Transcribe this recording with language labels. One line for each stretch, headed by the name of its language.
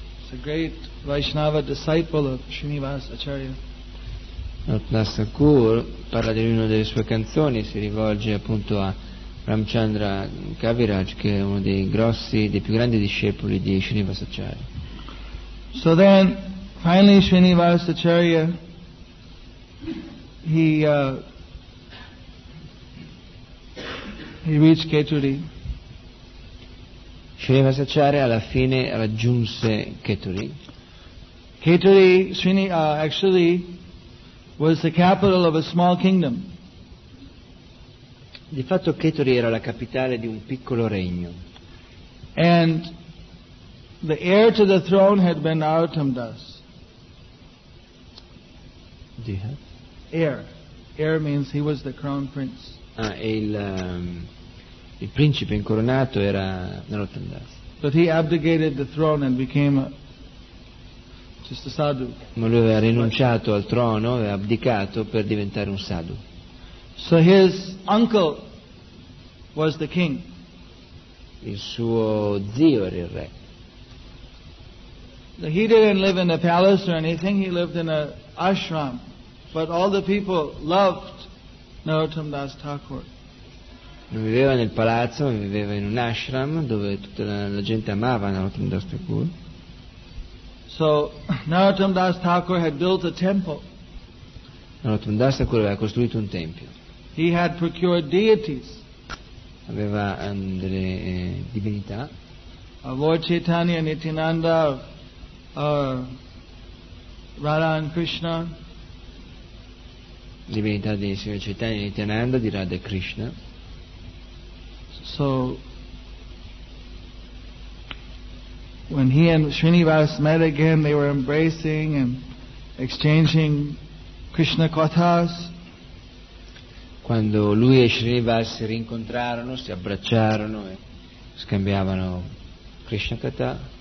English: It's a great Vaishnava disciple of Srinivas Acharya.
Italian: Narottama Thakur parla di una delle sue canzoni, si rivolge appunto a Ramchandra Kaviraj, che è uno dei grossi, dei più grandi discepoli di Srinivas Acharya.
English: So then, finally Srinivas Acharya, he reached Keturi.
Italian: Srinivas Acharya alla fine raggiunse Keturi.
English: Keturi, actually, was the capital of a small kingdom.
Italian: Di fatto Keturi era la capitale di un piccolo regno.
English: And the heir to the throne had been Narottama Das. Do you have? Heir means he was the crown prince.
Italian: Ah, e il principe incoronato era Narottama Das.
English: But he abdicated the throne and became just a sadhu.
Italian: Ma lui aveva rinunciato al trono e abdicato per diventare un sadhu.
English: So his uncle was the king.
Italian: Il suo zio era il re.
English: He didn't live in a palace or anything, he lived in an ashram. But all the people loved Narottama Das Thakur.
Italian: Non viveva nel palazzo, ma viveva in un ashram dove tutta la gente amava Narottama Das Thakur.
English: So Narottama Das Thakur had built a temple.
Italian: Narottama Das Thakur aveva costruito un tempio.
English: He had procured deities.
Italian: Aveva delle divinità.
English: Of Lord Chaitanya Nityananda, Radha and Krishna.
Italian: Divinità di Signore Chaitanya Nityananda, di Radha e Krishna.
English: So when he and Srinivas met again, they were embracing and exchanging Krishna kathas.
Italian: Quando lui e Srinivas si rincontrarono, si abbracciarono e scambiavano Krishna katha.